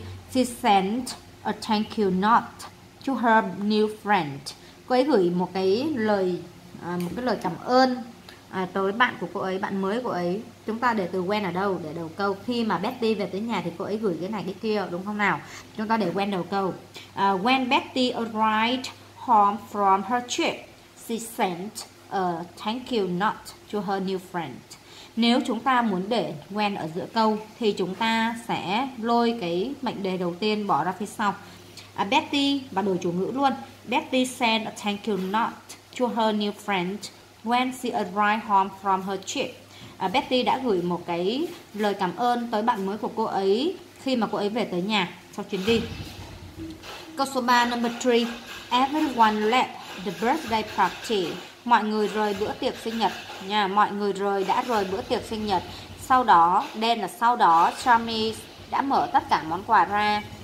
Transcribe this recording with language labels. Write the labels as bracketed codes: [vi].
[en] She sent a thank you note to her new friend. [vi] Cô ấy gửi một cái lời cảm ơn tới bạn của cô ấy, bạn mới của ấy. Chúng ta để từ when ở đâu? Để đầu câu. Khi mà Betty về tới nhà thì cô ấy gửi cái này cái kia, đúng không nào? Chúng ta để when đầu câu. [en] When Betty arrived home from her trip, she sent a thank you note to her new friend. [vi] Nếu chúng ta muốn để when ở giữa câu thì chúng ta sẽ lôi cái mệnh đề đầu tiên bỏ ra phía sau. Betty và đổi chủ ngữ luôn. [en] Betty sent a thank you note to her new friend when she arrived home from her trip. [vi] Betty đã gửi một cái lời cảm ơn tới bạn mới của cô ấy khi mà cô ấy về tới nhà sau chuyến đi. Câu số 3, number 3. [en] Everyone left the birthday party. [vi] Mọi người rời bữa tiệc sinh nhật nha. Mọi người đã rời bữa tiệc sinh nhật. Sau đó, đen là sau đó, Sammy đã mở tất cả món quà ra.